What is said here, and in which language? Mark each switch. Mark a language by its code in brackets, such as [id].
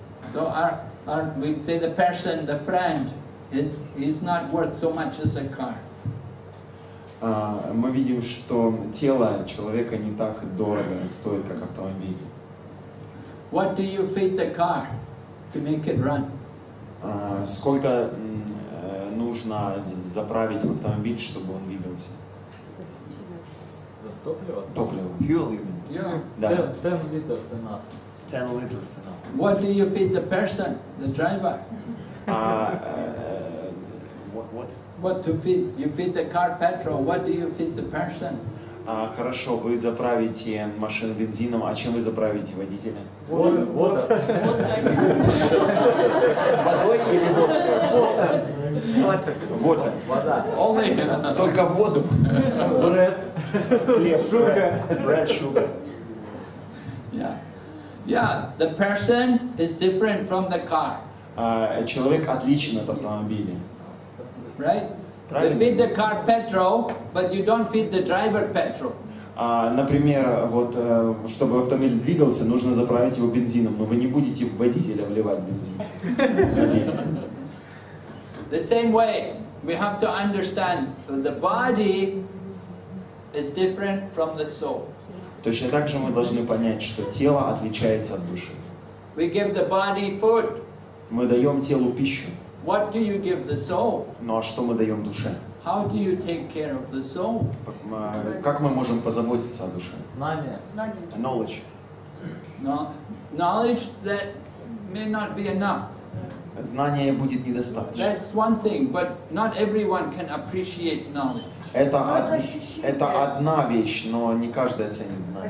[en] So our we say the person, the friend, is not worth so much as a car. [ru] Мы видим, что тело человека не так дорого стоит, как автомобиль. [en] What do you feed the car to make it run? [ru] Сколько нужно заправить автомобиль, чтобы он двигался? За топливо? Топливо. [en] Fuel, you mean? Yeah. [ru] Да. [en] 10 liters enough. 10 liters enough. What do you feed the person, the driver? What? What to feed? You feed the car petrol. What do you feed the person? [ru] Хорошо, вы заправите машину бензином, а чем вы заправите водителя? Водой или водкой? Вода. [en] Only. [ru] Только воду. [en] Bread. [ru] Хлеб. [en] Sugar. Bread, sugar. Yeah. Yeah, the person is different from the car. [ru] Человек отличен от автомобиля. [en] Right? [ru] Правильно. [en] You feed the car petrol, but you don't feed the driver petrol. [ru] Например, вот чтобы автомобиль двигался, нужно заправить его бензином, но вы не будете водителя вливать бензин. [en] The same way, we have to understand the body is different from the soul. [ru] Точно так же мы должны понять, что тело отличается от души. [en] We give the body food. [ru] Мы даем телу пищу. [en] What do you give the soul? [ru] Ну а что мы даем душе? [en] How do you take care of the soul? [ru] Как мы можем позаботиться о душе? Знание. [en] Knowledge. Knowledge that may not be enough. [ru] Знание будет недостаточно. [en] That's one thing, but not everyone can appreciate knowledge. [ru] Это одна вещь, но не каждый ценит знание.